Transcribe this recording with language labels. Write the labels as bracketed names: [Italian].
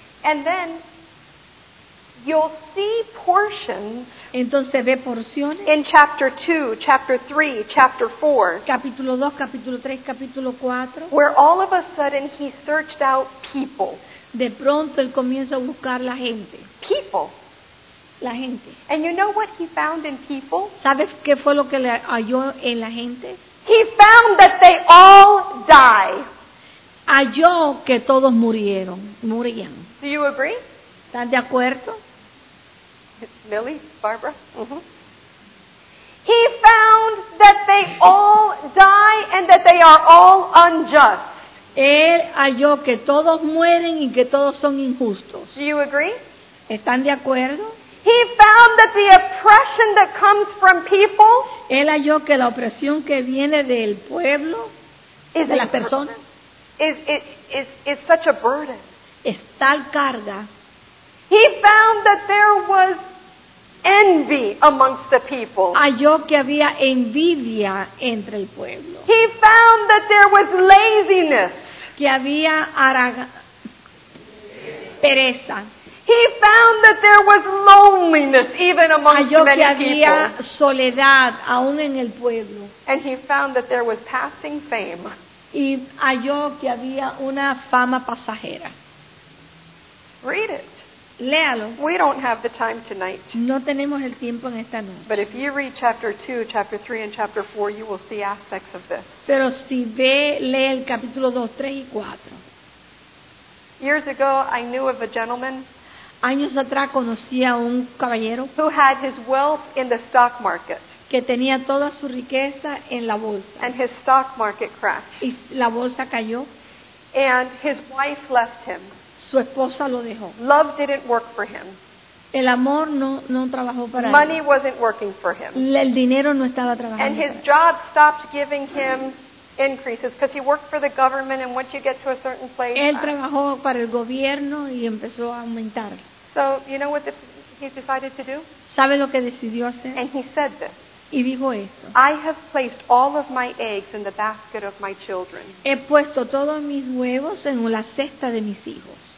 [English] And then you'll see portions. [Spanish] Entonces ve porciones. [English] In chapter 2, chapter 3, chapter 4. [Spanish] Capítulo 2, capítulo 3, capítulo 4. [English] Where all of a sudden he searched out people. [Spanish] De pronto él comienza a buscar la gente. [English] People. [Spanish] La gente. [English] And you know what he found in people? [Spanish] ¿Sabes qué fue lo que le halló en la gente? [English] He found that they all die. [Spanish] Halló que todos murían. [English] Do you agree? [Spanish] ¿Están de acuerdo? [English] Millie? Barbara? Mm-hmm. He found that they all die and that they are all unjust. [Spanish] Él halló que todos mueren y que todos son injustos. [English] Do you agree? [Spanish] ¿Están de acuerdo? [English] He found that the oppression that comes from people. [Spanish] Él halló que la opresión que viene del pueblo, de las personas, [English] is such a burden. [Spanish] Es tal carga. [English] He found that there was envy. envy amongst the people. [Spanish] Halló que había envidia entre el pueblo. [English] He found that there was laziness. [Spanish] Que había pereza. [English] He found that there was loneliness even amongst many people. [Spanish] Halló que había soledad aún en el pueblo. [English] And he found that there was passing fame. [Spanish] Y halló que había una fama pasajera. [English] Read it. [Spanish] Léalo. [English] We don't have the time tonight. [Spanish] No tenemos el tiempo en esta noche. [English] But if you read chapter 2, chapter 3, and chapter 4, you will see aspects of this. [Spanish] Pero si ve, lee el capítulo 2, 3 y 4. [English] Years ago, I knew of a gentleman. [Spanish] Años atrás conocí a un caballero. [English] Who had his wealth in the stock market. [Spanish] Que tenía toda su riqueza en la bolsa. [English] And his stock market crashed. [Spanish] Y la bolsa cayó. [English] And his wife left him. [Spanish] Su esposa lo dejó. [English] Love didn't work for him. [Spanish] El amor no trabajó para él. [English] Money wasn't working for him. [Spanish] El dinero no estaba trabajando. [English] And his job stopped giving him increases because he worked for the government and once you get to a certain place. [Spanish] Él trabajó para el gobierno y empezó a aumentar. [English] So, you know what he decided to do? [Spanish] ¿Sabe lo que decidió hacer? [English] And he said this. [Spanish] Y dijo esto. [English] I have placed all of my eggs in the basket of my children. [Spanish] He puesto todos mis huevos en la cesta de mis hijos.